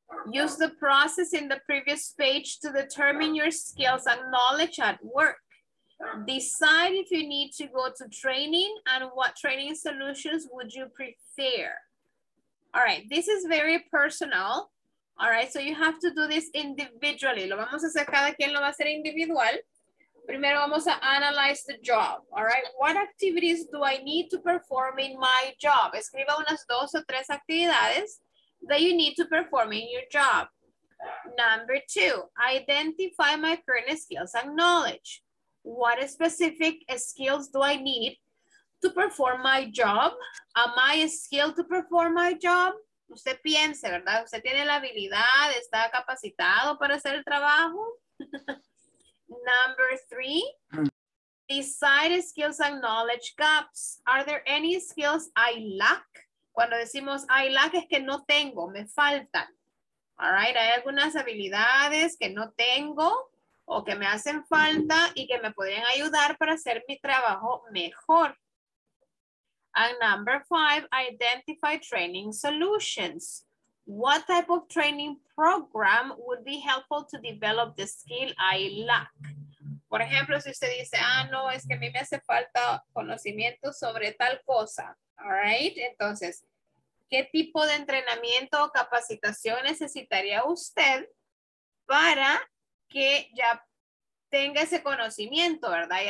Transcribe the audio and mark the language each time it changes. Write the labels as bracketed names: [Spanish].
[English] Use the process in the previous page to determine your skills and knowledge at work. Decide if you need to go to training and what training solutions would you prefer. All right, this is very personal. All right, so you have to do this individually. [Spanish] Lo vamos a hacer, cada quien lo va a hacer individual. Primero vamos a [English] analyze the job. All right, what activities do I need to perform in my job? [Spanish] Escriba unas dos o tres actividades [English] that you need to perform in your job. Number two, identify my current skills and knowledge. What specific skills do I need to perform my job? Am I skilled to perform my job? [Spanish] Usted piense, ¿verdad? Usted tiene la habilidad, está capacitado para hacer el trabajo. [English] Number three, decide skills and knowledge gaps. Are there any skills I lack? [Spanish] Cuando decimos [English] I lack [Spanish] es que no tengo, me faltan. All right, hay algunas habilidades que no tengo o que me hacen falta y que me pueden ayudar para hacer mi trabajo mejor. [English] And number five, identify training solutions. What type of training program would be helpful to develop the skill I lack? [Spanish] Por ejemplo, si usted dice, ah, no, es que a mí me hace falta conocimiento sobre tal cosa. All right, entonces, ¿qué tipo de entrenamiento o capacitación necesitaría usted para que ya tenga ese conocimiento, verdad?